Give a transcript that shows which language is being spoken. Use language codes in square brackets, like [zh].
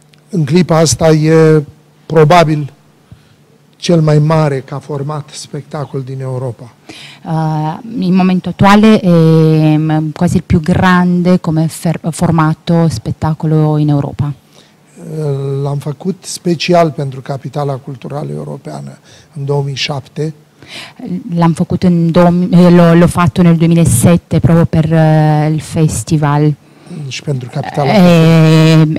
[ro] În clipa asta e probabil cel mai mare ca format spectacol din Europa. [it] In momento attuale è quasi il più grande come formato spettacolo in Europa. [ro] L'am făcut special pentru Capitala Culturală Europeană în 2007. [it] L'hanno fatto nel 2007 proprio per il festival [ro] Și pentru capitala culturală.